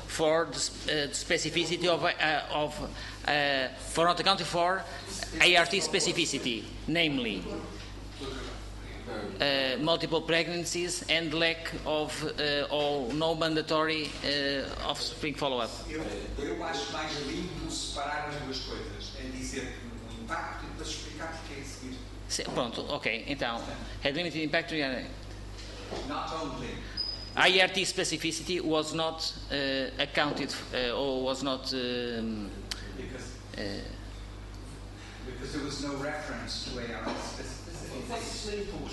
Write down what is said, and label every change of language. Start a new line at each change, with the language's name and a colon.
English: for the specificity of for not accounting for ART specificity, namely multiple pregnancies and lack of or no mandatory offspring follow-up.
Portuguese: Eu acho mais lindo separar as duas coisas, em dizer um impacto e depois explicar porque é a seguir. Pronto, ok, então.
English: Had limited impact. Not only. IRT specificity was not accounted or was not. Because there was no reference to ART specificity.